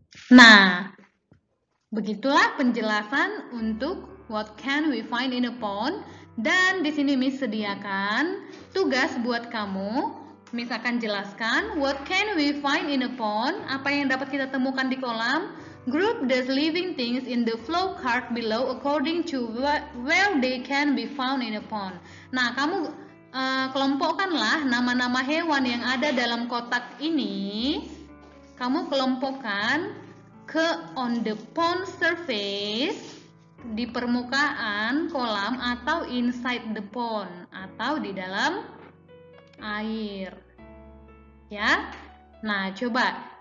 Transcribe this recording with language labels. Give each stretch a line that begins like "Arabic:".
Indonesian: Nah, begitulah penjelasan untuk
English: what can we find in a pond.
Indonesian: Dan di sini Miss sediakan tugas buat kamu. Miss akan jelaskan
English: what can we find in a pond.
Indonesian: Apa yang dapat kita temukan di kolam?
English: Group the living things in the flow chart below according to where they can be found in a pond.
Indonesian: Nah, kamu kelompokkanlah nama-nama hewan yang ada dalam kotak ini. Kamu kelompokkan ke
English: on the pond surface,
Indonesian: di permukaan kolam atau
English: inside the pond
Indonesian: atau di dalam air. Ya. Nah, coba.